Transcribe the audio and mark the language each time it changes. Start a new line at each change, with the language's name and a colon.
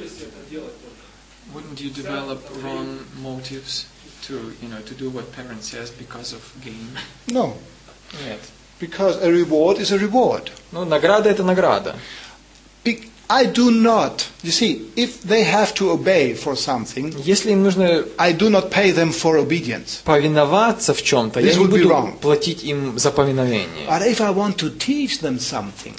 English: Do you develop wrong motives to, you know, to do what parents says because of gain? No.
Russian: Нет.
English: Because a reward is a reward.
Russian: Ну, награда это награда.
English: I do not. You see, if they have to obey for something,
Russian: если им нужно,
English: I do not pay them for obedience.
Russian: Повиноваться в чём-то, я не буду платить им за повиновение.
English: But if I want to teach them something.